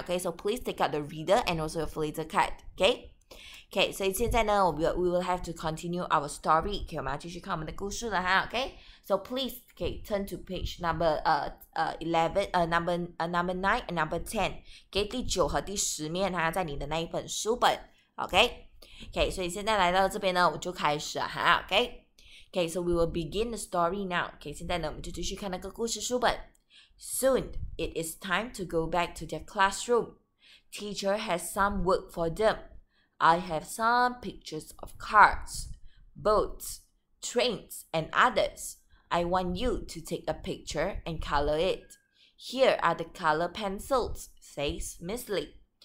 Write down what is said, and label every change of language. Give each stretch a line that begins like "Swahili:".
English: OK， so please take out the reader and also your phrase card。 OK。 Okay，
Chinese: 所以现在呢
English: we will have to continue our story。
Chinese: OK， 我们要继续看我们的故事了哈。
English: OK， so please okay, turn to page number 9 and number 10。
Chinese: Okay， 第九和第十面哈，在你的那一本书本。OK， okay， 所以现在来到这边呢我就开始了哈。
English: OK， okay， so we will begin the story now。
Chinese: OK， 现在呢我们就继续看那个故事书本。
English: Soon it is time to go back to their classroom. Teacher has some work for themI have some pictures of cars, boats, trains, and others. I want you to take a picture and color it. Here are the color pencils, says Miss Lee.